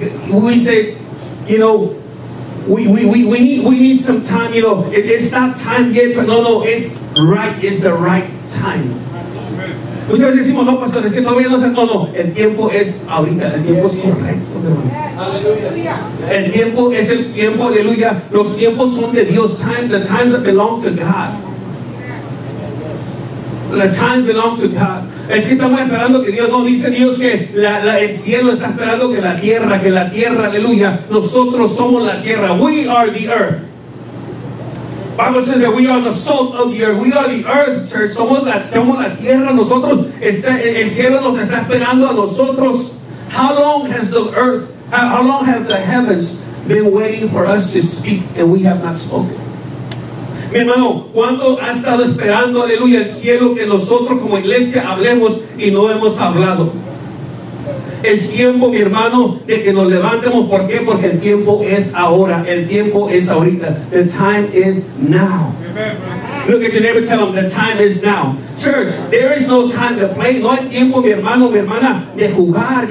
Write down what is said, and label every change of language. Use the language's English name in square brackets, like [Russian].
[English] We say, you know, we need some time, you know. It's not time yet, but no, it's right. It's the right time. [Spanish] Ustedes decimos, no, pastor, es que todavía no es el todo. El tiempo es ahorita, el tiempo es correcto, hermano. El tiempo es el tiempo, aleluya. Los tiempos son de Dios. [English] Time, the times belong to God. The times belong to God. [Spanish] Es que estamos esperando que Dios, no dice Dios que el cielo está esperando que la tierra, aleluya, nosotros somos la tierra. [English] We are the earth. Bible says that we are the salt of the earth. We are the earth, church. [Spanish] Somos la tierra. Nosotros, el cielo nos está esperando a nosotros. [English] How long have the heavens been waiting for us to speak and we have not spoken? [Spanish] Mi hermano, ¿cuánto ha estado esperando, aleluya, el cielo que nosotros como iglesia hablemos y no hemos hablado? Es tiempo, mi hermano, de que nos levantemos. ¿Por qué? Porque el tiempo es ahora. El tiempo es ahorita. [English] The time is now. Look at your neighbor, tell them, the time is now. Church, there is no time to play. [Spanish] No hay tiempo, mi hermano, mi hermana, de jugar.